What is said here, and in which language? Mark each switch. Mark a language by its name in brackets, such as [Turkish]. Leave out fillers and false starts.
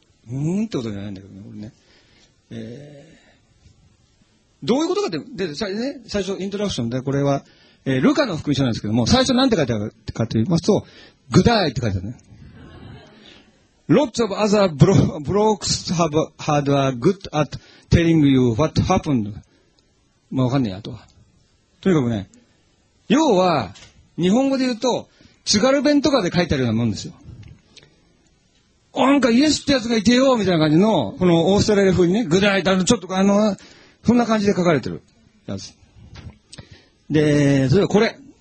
[Japanese] うーんってことじゃないんだけどね、これね。どういうことかって、最初、イントロダクションで、これは、ルカの福音書なんですけども、最初なんて書いてあるかと言いますと、グダイって書いてあるね。 [English] Lots of other blokes have had a good at telling you what happened. [Japanese] まあ、わかんねえや、あとは。とにかくね、要は、日本語で言うと、津軽弁とかで書いてあるようなもんですよ。なんかイエスってやつがいてよみたいな感じの、このオーストラリア風にね、ぐらい、ちょっとそんな感じで書かれてるやつ。で、それこれ。